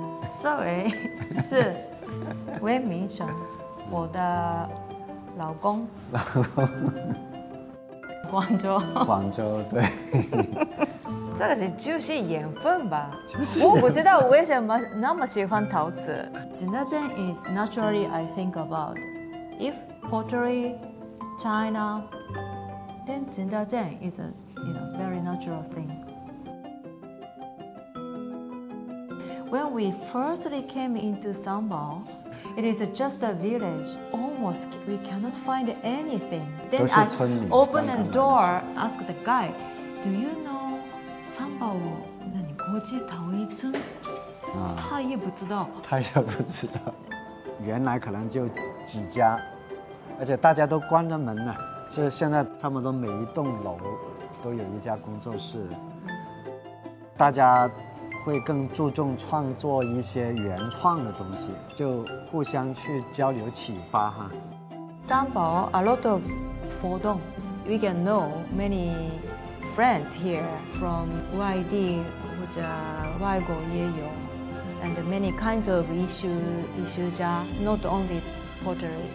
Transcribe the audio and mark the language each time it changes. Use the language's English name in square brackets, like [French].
[Chinese] 社委是魏明成，我的老公。老公。广州。广州，对。这个是就是缘分吧，就是。我不知道为什么那么喜欢陶瓷。 [English] Jindajin is naturally I think about if pottery China, then Jindajin is a you know, very natural thing. When we firstly came into Sambal, it is just a village. Almost we cannot find anything. Then I opened a door, asked the guy, Do you know Sambal? [Chinese] 那你国际陶艺村？他也不知道。他也不知道。原来可能就几家，而且大家都关着门呢。所以现在差不多每一栋楼都有一家工作室。大家。会更注重创作一些原创的东西，就互相去交流启发哈。 [English] Sambal, a lot of Fodong. We can know many friends here from [Chinese] 外地或者外国也有 [English] ，and many kinds of [Chinese] 艺术家 [English] ，not only pottery.